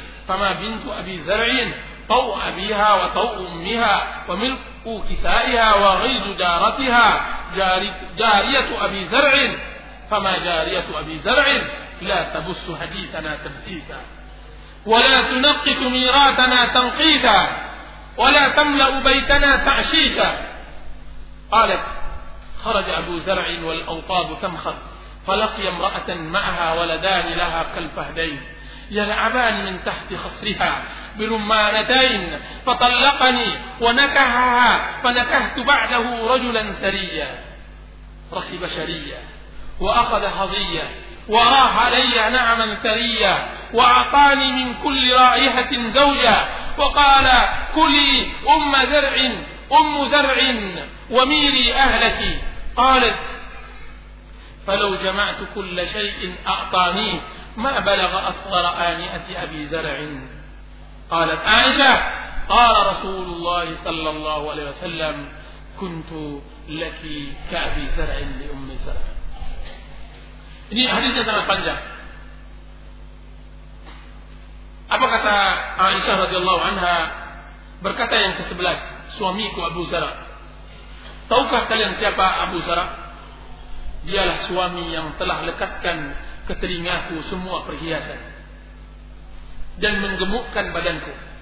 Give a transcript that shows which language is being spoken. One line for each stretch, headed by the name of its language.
Arabic: فما بنت أبي زرع طوء أبيها وطوء أمها وملك كسائها وغيظ جارتها جارية أبي زرع فما جارية أبي زرع لا تبث حديثنا تبثيثا ولا تنقط ميراثنا تنقيثا ولا تملأ بيتنا تعشيشا. قالت خرج أبو زرع والأوطاب تمخر فلقي امرأة معها ولدان لها كالفهدين يلعبان من تحت خصرها برمانتين فطلقني ونكهها فنكهت بعده رجلا سريا رخي بشرية وأخذ حظية وراح علي نعما ثريا وأعطاني من كل رائحة زوجا وقال كلي أم زرع أم زرع وميري أهلك. قالت فلو جمعت كل شيء أعطاني ما بلغ أصغر آنئة أبي زرع. قالت عائشة قال رسول الله صلى الله عليه وسلم كنت لك كأبي زرع لأم زرع.
Indonesian: Ini hadisnya sangat panjang. Apa kata Aisyah radhiyallahu anha Berkata yang ke-11, suamiku Abu Zara. Tahukah kalian siapa Abu Zara? Dialah suami yang telah lekatkan ke telingaku semua perhiasan dan menggemukkan badanku.